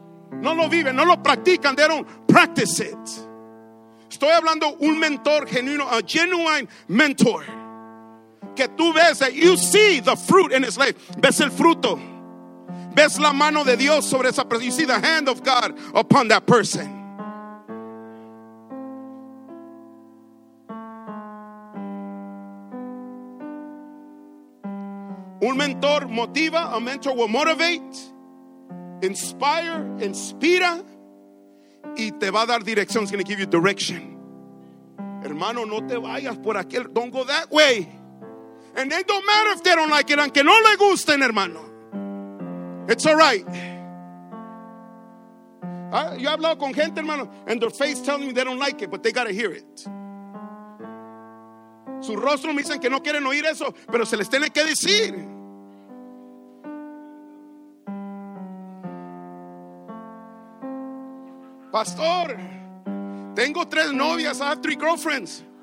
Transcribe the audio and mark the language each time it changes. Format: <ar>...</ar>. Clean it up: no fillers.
<es>No lo viven, no lo practican,</es> <en>they don't practice it.</en> <es>Estoy hablando de un mentor genuino,</es> <en>a genuine mentor.</en> <es>Que tú ves,</es> <en>that you see the fruit in his life.</en> <es>Ves el fruto. Ves la mano de Dios sobre esa persona.</es> <en>You see the hand of God upon that person.</en> <es>Un mentor motiva.</es> <en>A mentor will motivate, inspire,</en> <es>inspira, y te va a dar dirección.</es> <en>He's going to give you direction.</en> <es>Hermano, no te vayas por aquel.</es> <en>Don't go that way. And it don't matter if they don't like it,</en> <es>aunque no le gusten, hermano.</es> <en>It's all right.</en> <es>Yo he hablado con gente, hermano,</es> <en>and their face telling me they don't like it, but they gotta hear it.</en> <es>Su rostro me dicen que no quieren oír eso, pero se les tiene que decir. Pastor, tengo tres novias,</es> <en>I have three girlfriends.</en>